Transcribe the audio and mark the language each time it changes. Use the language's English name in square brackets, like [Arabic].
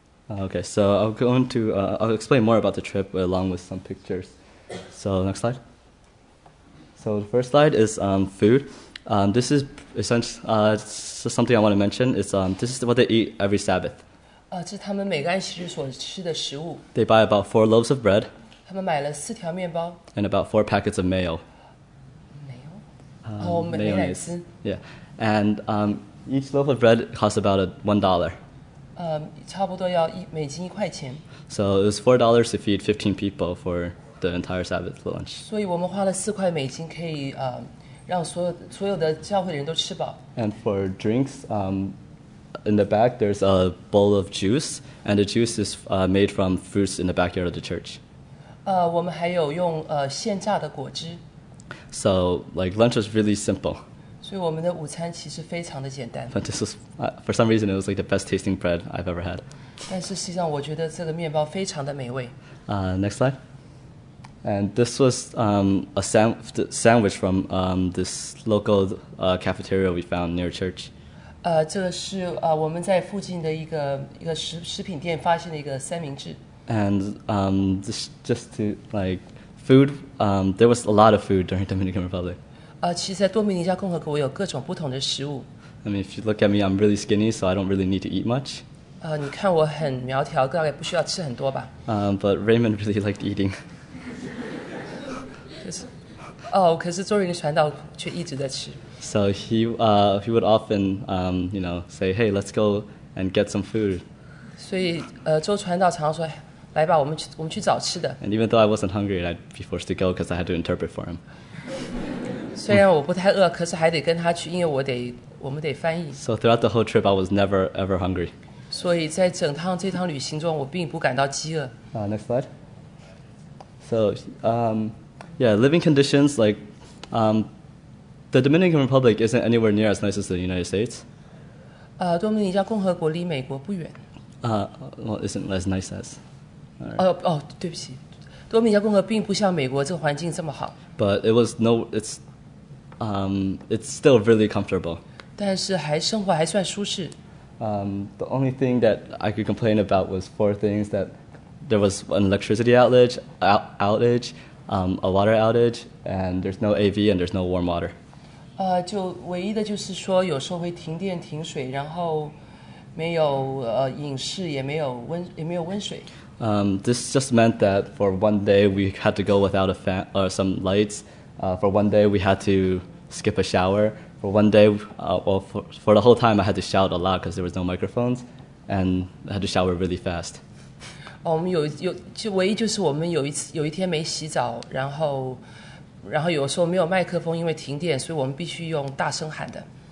[English] Okay, so I'll go into, I'll explain more about the trip along with some pictures. So, next slide. So, the first slide is food. This is essentially something I want to mention. This is what they eat every Sabbath. [Chinese] 这是他们每个安息日所吃的食物。 [English] They buy about 4 loaves of bread. [Chinese] 他们买了四条面包。 [English] And about 4 packets of mayo. Mayo? Mayonnaise. Yeah. And each loaf of bread costs about $1. [Chinese] 差不多要每斤一块钱。 [English] So it was $4 to feed 15 people for the entire Sabbath lunch. [Chinese] 所以我们花了四块美金可以让所有的教会的人都吃饱。 [English] And for drinks, in the back there's a bowl of juice, and the juice is made from fruits in the backyard of the church. [Chinese] 我们还有用现榨的果汁。 [English] So like lunch was really simple. [Chinese] 所以我们的午餐其实非常的简单。 [English] But this was for some reason it was like the best tasting bread I've ever had. [Chinese] 但是实际上我觉得这个面包非常的美味。 [English] Next slide. And this was a sandwich from this local cafeteria we found near church. [Chinese] 这个是我们在附近的一个食品店发现的一个三明治。 [English] And just to like food, there was a lot of food during Dominican Republic. [Chinese] 其实在多米尼加共和国有各种不同的食物。 [English] I mean, if you look at me, I'm really skinny, so I don't really need to eat much. [Chinese] 你看我很苗条，大概不需要吃很多吧。 [English] But Raymond really liked eating. [Chinese] 可是周云传道却一直在吃。 [English] So he would often say, "Hey, let's go and get some food." [Chinese] 所以周传道常常说，来吧，我们去找吃的。 [English] And even though I wasn't hungry, I'd be forced to go because I had to interpret for him. [Chinese] 虽然我不太饿，可是还得跟他去，因为我们得翻译。 [English] So throughout the whole trip, I was never ever hungry. [Chinese] 所以在这趟旅行中，我并不感到饥饿。 [English] Next slide. So Yeah, living conditions, like, the Dominican Republic isn't anywhere near as nice as the United States. [Chinese] 多米尼加共和国离美国不远。 [English] Well, isn't as nice as. [Chinese] 对不起，多米尼加共和国并不像美国这个环境这么好。 [English] But it's still really comfortable. [Chinese] 但是生活还算舒适。 [English] The only thing that I could complain about was 4 things that there was an electricity outage,a water outage, and there's no AV, and there's no warm water. [Chinese] 就唯一的就是说有时候会停电停水，然后没有饮食，也没有温水。 [English] This just meant that for one day we had to go without a fan or some lights. For one day we had to skip a shower. For one day, for the whole time I had to shout a lot because there was no microphones, and I had to shower really fast. [Chinese] 我们就唯一就是我们有一天没洗澡，然后有时候没有麦克风，因为停电，所以我们必须用大声喊的。